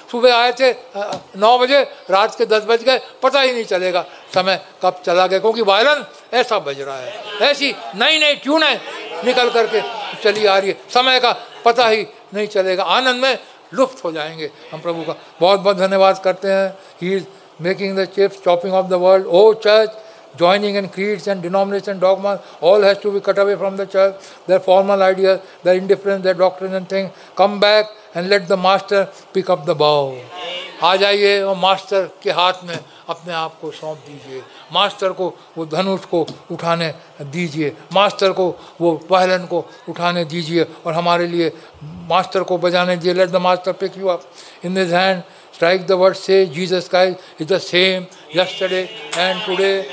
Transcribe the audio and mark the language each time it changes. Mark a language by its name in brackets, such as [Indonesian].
[Hindi] सुबह आए थे 9 बजे, रात के 10 बज गए, पता ही नहीं चलेगा समय कब चला गया, क्योंकि वायलिन ऐसा बज रहा है, ऐसी नई नई ट्यूनें निकल करके चली आ रही है, समय का पता ही नहीं चलेगा, आनंद में लुप्त हो जाएंगे हम प्रभु का। बहुत बहुत धन्यवाद करते हैं। [English] He is making the chips, chopping off the world, o church, joining in creeds and denomination dogmas, all has to be cut away from the church, their formal ideas, their indifference, their doctrine and things. Come back and let the master pick up the bow. [Hindi] आ जाइए और master के हाथ में अपने आप को सौंप दीजिए, मास्टर को वो धनुष को उठाने दीजिए, मास्टर को वो वायलिन को उठाने दीजिए और हमारे लिए मास्टर को बजाने दीजिए। Let the master pick you up in this hand, strike the word, से Jesus Christ is the same yesterday and today.